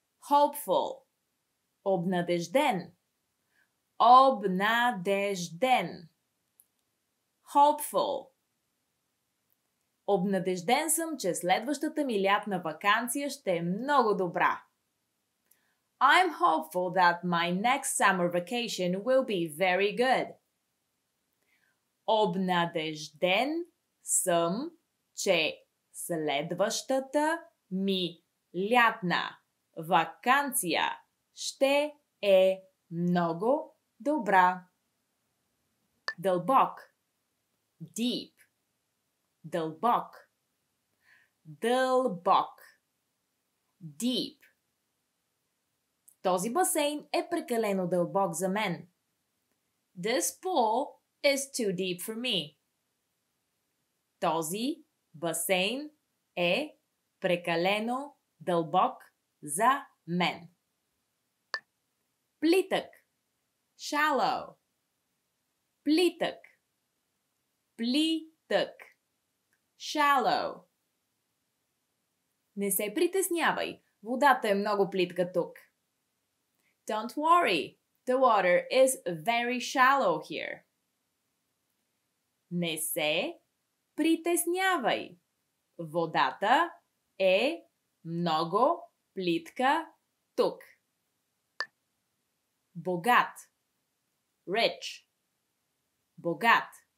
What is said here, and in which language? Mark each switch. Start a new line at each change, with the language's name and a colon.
English: Hopeful.
Bulgarian: Обнадежден. Обнадежден.
English: Hopeful.
Bulgarian: Обнадежден съм, че следващата ми лятна ваканция ще е много добра.
English: I'm hopeful that my next summer vacation will be very good.
Bulgarian: Обнадежден съм, че следващата ми лятна ваканция ще е много добра. Дълбок.
English: Deep.
Bulgarian: Дълбок. Дълбок.
English: Deep.
Bulgarian: Този басейн е прекалено дълбок за мен.
English: This pool is too deep for me.
Bulgarian: Този басейн е прекалено дълбок за мен. Плитък.
English: Shallow.
Bulgarian: Плитък. Плитък.
English: Shallow.
Bulgarian: Не се притеснявай, водата е много плитка тук.
English: Don't worry, the water is very shallow here.
Bulgarian: Не се притеснявай, водата е много плитка тук. Богат.
English: Rich.
Bulgarian: Богат.